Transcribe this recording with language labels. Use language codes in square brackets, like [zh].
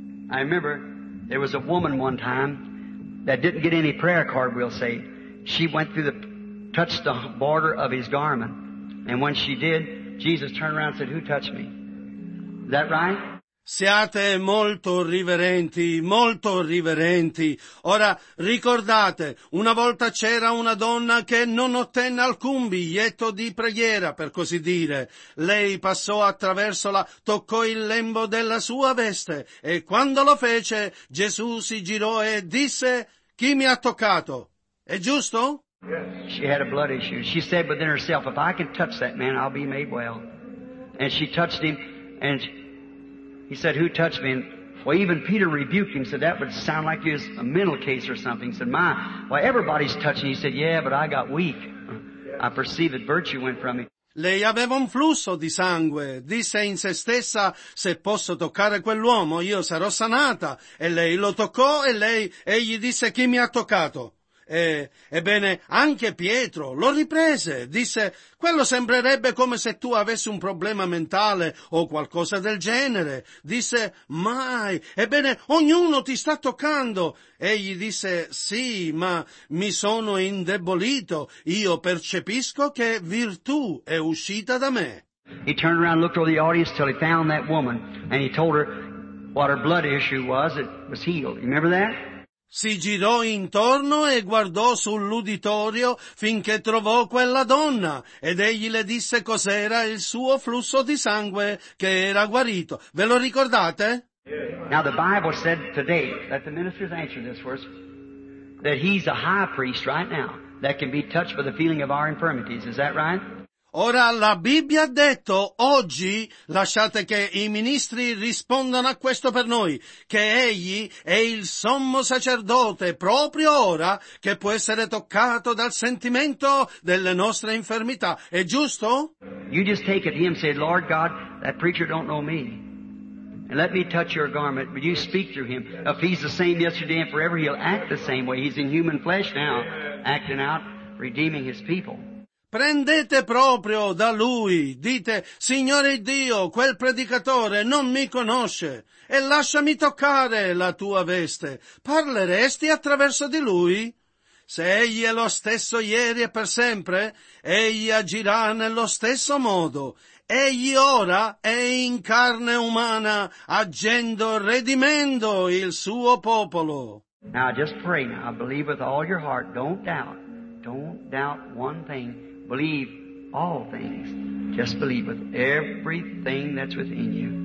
[en] I remember there was a woman one time that didn't get any prayer card, we'll say. She went through the, touched the border of his garment. And when she did, Jesus turned around and said, who touched me? Is that right? [it] Siate molto riverenti, molto riverenti. Ora, ricordate, una volta c'era una donna che non ottenne alcun biglietto di preghiera, per così dire. Lei passò attraverso la, toccò il lembo della sua veste, e quando lo fece, Gesù si girò e disse, chi mi ha toccato? È giusto? [en] She had a blood issue. She said within herself, if I can touch that man, I'll be made well. And she touched him, and... He said, who touched me? And, well, even Peter rebuked him, said, that would sound like he was a mental case or something. He said, my, well, everybody's touching. He said, yeah, but I got weak. I perceived that virtue went from me. [it] Lei aveva un flusso di sangue. Disse in se stessa, se posso toccare quell'uomo, io sarò sanata. E lei lo toccò e lei, egli disse, chi mi ha toccato? Ebbene, anche Pietro lo riprese, disse, quello sembrerebbe come se tu avessi un problema mentale o qualcosa del genere. Disse, mai, ebbene, ognuno ti sta toccando. Egli disse, sì, ma mi sono indebolito, io percepisco che virtù è uscita da me. [en] He turned around and looked over the audience till he found that woman and he told her what her blood issue was. It was healed. You remember that? [it] Si girò intorno e guardò sull'uditorio finché trovò quella donna ed egli le disse cos'era il suo flusso di sangue che era guarito. Ve lo ricordate? [en] Now the Bible said today, let the ministers answer this for us, that he's a high priest right now that can be touched by the feeling of our infirmities. Is that right? [it] Ora la Bibbia ha detto oggi, lasciate che i ministri rispondano a questo per noi, che egli è il sommo sacerdote proprio ora che può essere toccato dal sentimento delle nostre infermità. È giusto? [en] You just take it to him and say, Lord God, that preacher don't know me. And let me touch your garment, but you speak through him. If he's the same yesterday and forever, he'll act the same way. He's in human flesh now, acting out, redeeming his people. [it] Prendete proprio da lui, dite, Signore Dio, quel predicatore non mi conosce, e lasciami toccare la tua veste. Parleresti attraverso di lui? Se egli è lo stesso ieri e per sempre, egli agirà nello stesso modo. Egli ora è in carne umana, agendo, redimendo il suo popolo. [en] Now just pray now, I believe with all your heart, don't doubt one thing. Believe all things. Just believe with everything that's within you.